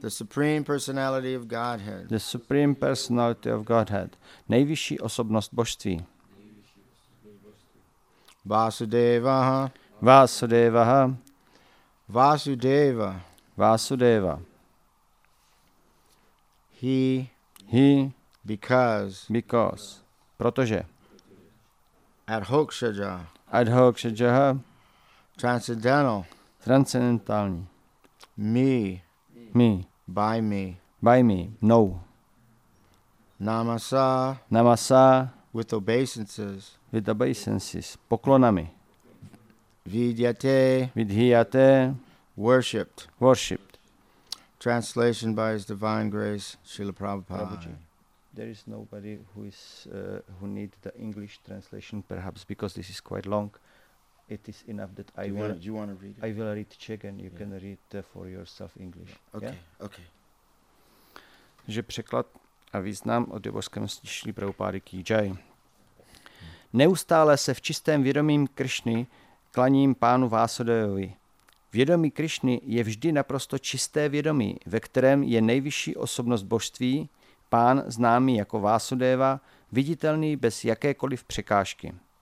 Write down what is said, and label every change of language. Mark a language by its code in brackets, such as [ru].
[en] The Supreme Personality of Godhead. The Supreme Personality of Godhead. [cs] Nejvyšší osobnost božství. [sa] Vasudevaha. Vasudevaha. Vasudeva. Vasudeva. [en] He. He. Because. Because. [cs] Protože. [sa] Adhokshaja. Adhokshaja. [en] Transcendental. [cs] Transcendentální. [en] Me. Me. By me. By me. No. [sa] Namasa. Namasa. [en] With obeisances. With obeisances. [cs] Poklonami. [sa] Vidyate. Vidhyate. [en] Worshipped. Worshipped. Translation by His Divine Grace, Srila Prabhupada. Prabhuji. There is nobody who is who needs the English translation, perhaps, because this is quite long. It is enough that do I will... Do you want to read it? I will read Czech and you can read for yourself English. Okay, yeah? Okay. [cs] Že překlad a význam o divoském stišlí Prabhupády ký jai. Neustále se v čistém vědomím Krišny klaním pánu Vásudevovi. Vědomí Krišny je vždy naprosto čisté vědomí, ve kterém je nejvyšší osobnost božství, pán známý jako Vásudeva, viditelný bez jakékoliv překážky.